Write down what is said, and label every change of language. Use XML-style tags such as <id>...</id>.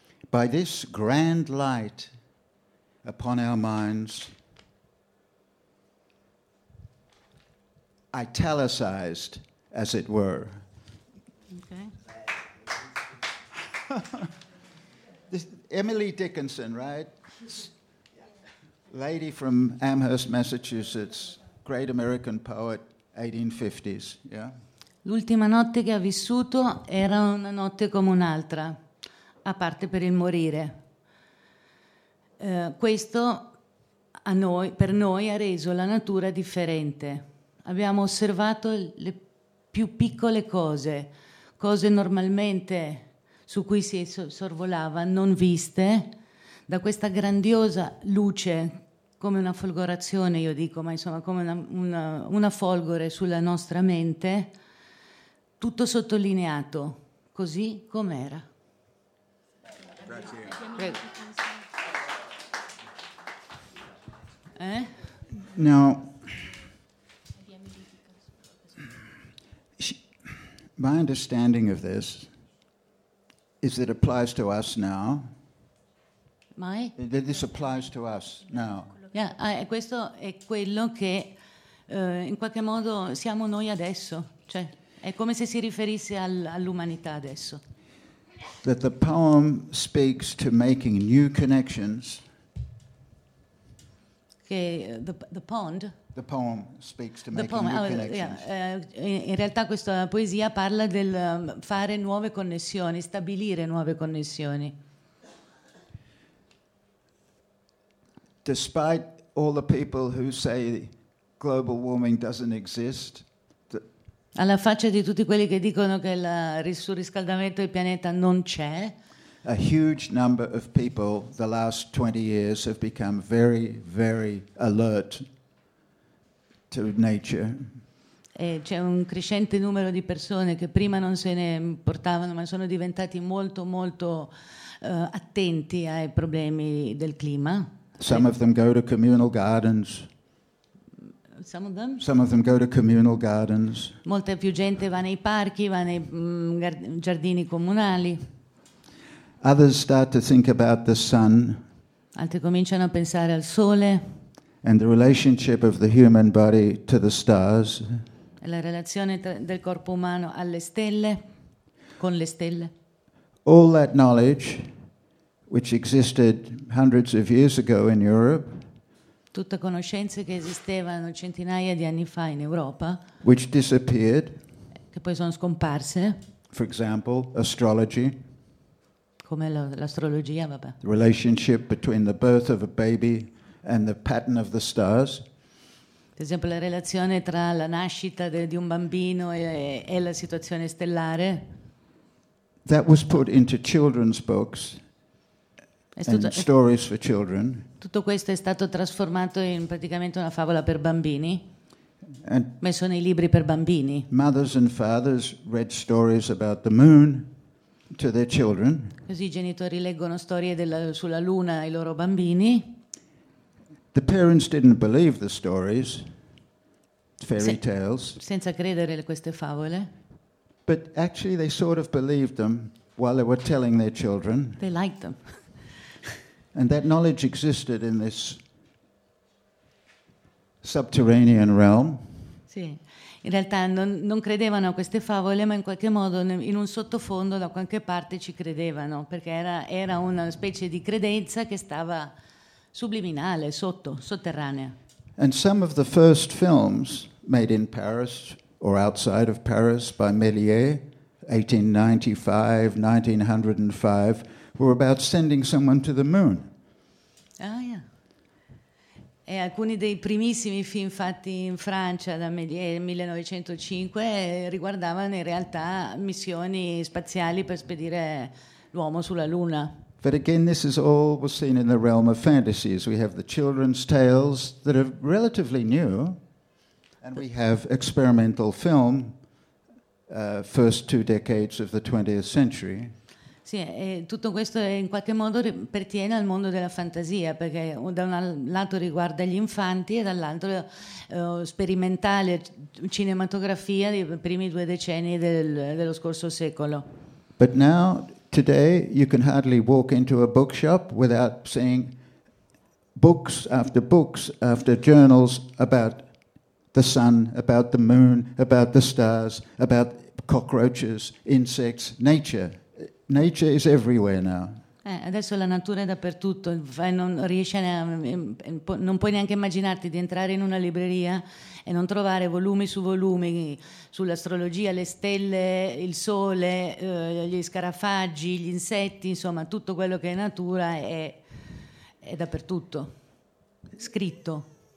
<en>By this grand light upon our minds, italicized, as it were. Okay. This, Emily Dickinson, right? Lady from Amherst, Massachusetts, great American poet, 1850s, yeah?</en> <it>L'ultima notte che ha vissuto era una notte come un'altra. A parte per il morire. Questo a noi, per noi ha reso la natura differente. Abbiamo osservato le più piccole cose, cose normalmente su cui si sorvolava, non viste, da questa grandiosa luce, come una folgorazione, io dico, ma insomma come una folgore sulla nostra mente, tutto sottolineato, così com'era.</it> <en>Now, my understanding of this is that it applies to us now. My? That this applies to us now.</en> <it>Yeah, questo è quello che in qualche modo siamo noi adesso. Cioè, è come se si riferisse all'umanità adesso.</it> <en>That the poem speaks to making new connections. Che the pond. The poem speaks to making new connections.</en> <it>In realtà questa poesia parla del fare nuove connessioni, stabilire nuove connessioni.</it> <en>Despite all the people who say global warming doesn't exist.</en> <it>Alla faccia di tutti quelli che dicono che il surriscaldamento del pianeta non c'è.</it> <en>A huge number of people the last 20 years have become very, very alert to nature.</en> <it>E c'è un crescente numero di persone che prima non se ne importavano, ma sono diventati molto, molto attenti ai problemi del clima.</it> <en>Some of them go to communal gardens. Some of them go to communal gardens.</en> <it>Molta più gente va nei parchi, va nei giardini comunali.</it> <en>Others start to think about the sun.</en> <it>Altri cominciano a pensare al sole.</it> <en>And the relationship of the human body to the stars.</en> <it>E la relazione del corpo umano alle stelle, con le stelle.</it> <en>All that knowledge, which existed hundreds of years ago in Europe.</en> <it>Tutte conoscenze che esistevano centinaia di anni fa in Europa,</it> <en>which disappeared,</en> <it>che poi sono scomparse,</it> <en>for example, astrology,</en> <it>come l'astrologia, vabbè,</it> <en>the relationship between the birth of a baby and the pattern of the stars,</en> <it>ad esempio la relazione tra la nascita di un bambino e la situazione stellare,</it> <en>that was put into children's books. And stories for children.</en> <it>Tutto questo è stato trasformato in praticamente una favola per bambini.</it> <en>And</en> <it>messo nei libri per bambini.</it> <en>Mothers and fathers read stories about the moon to their children.</en> <it>Così i genitori leggono storie sulla luna ai loro bambini.</it> <en>The parents didn't believe the stories, fairy tales.</en> <it>Senza credere queste favole.</it> <en>But actually they sort of believed them while they were telling their children. They liked them. And that knowledge existed in this subterranean realm.</en> <it>Sì, in realtà non credevano a queste favole, ma in qualche modo in un sottofondo da qualche parte ci credevano, perché era una specie di credenza che stava subliminale, sotterranea.</it> <en>And some of the first films made in Paris or outside of Paris by Méliès, 1895, 1905, were about sending someone to the moon. Ah, yeah.</en> <it>E alcuni dei primissimi film fatti in Francia da 1905 riguardavano in realtà missioni spaziali per spedire l'uomo sulla Luna.</it> <en>But again, this is all was seen in the realm of fantasies. We have the children's tales that are relatively new, and we have experimental film, first two decades of the 20th century.</en> <it>Sì, e tutto questo in qualche modo pertiene al mondo della fantasia, perché da un lato riguarda gli infanti e dall'altro sperimentale cinematografia dei primi due decenni dello scorso secolo.</it> <en>But now, today, you can hardly walk into a bookshop without seeing books after journals about the sun, about the moon, about the stars, about cockroaches, insects, nature. Nature is everywhere now.</en> <it>Adesso la natura è dappertutto, non puoi neanche immaginarti di entrare in una libreria e non trovare volumi su volumi sull'astrologia, le stelle, il sole, gli scarafaggi, gli insetti, insomma tutto quello che è natura è dappertutto, scritto.</it>